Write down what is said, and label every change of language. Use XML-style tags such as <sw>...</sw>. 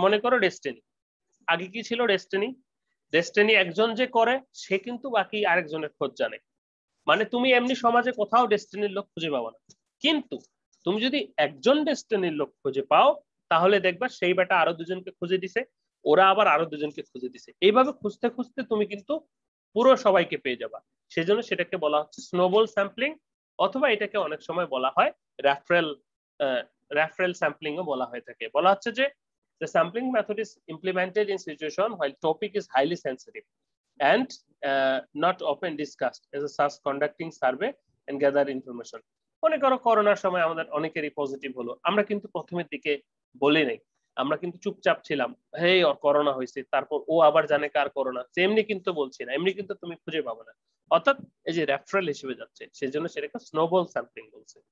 <bn>মনে করো ডেস্টিনি, আগে কি ছিল ডেস্টিনি, ডেস্টিনি একজন যে করে সে কিন্তু বাকি আরেকজনের খোঁজ জানে, মানে তুমি এমনি সমাজে কোথাও ডেস্টিনির লোক খুঁজে পাবো না, কিন্তু তুমি যদি একজন ডেস্টিনির লোক খুঁজে পাও, তাহলে দেখবা সেই বেটা আরো দুজনকে খুঁজে দিছে, ওরা আবার আরো দুজনকে খুঁজে দিছে, এইভাবে খুঁজতে খুঁজতে তুমি কিন্তু পুরো সবাইকে পেয়ে যাবা। সেই জন্য সেটাকে বলা হচ্ছে স্নোবল স্যাম্পলিং, অথবা এটাকে অনেক সময় বলা হয় রেফারেল স্যাম্পলিং ও বলা হয়ে থাকে। বলা হচ্ছে যে</bn> <en>the sampling method is implemented in situation while topic is highly sensitive and not often discussed as a such conducting survey and gather information.</en> <bn>মনে করো করোনার সময় আমাদের অনেকেরই পজিটিভ হলো, আমরা কিন্তু প্রথমের দিকে বলি নাই, আমরা কিন্তু চুপচাপ ছিলাম, হেই ওর করোনা হয়েছে, তারপর ও আবার জানে কার করোনা, তেমনি কিন্তু বলছি না, এমনি কিন্তু তুমি খুঁজে পাবে না। অর্থাৎ এই যে রেফারেল হিসেবে যাচ্ছে, সেই জন্য সেটাকে স্নোবল স্যাম্পলিং বলছে।</bn>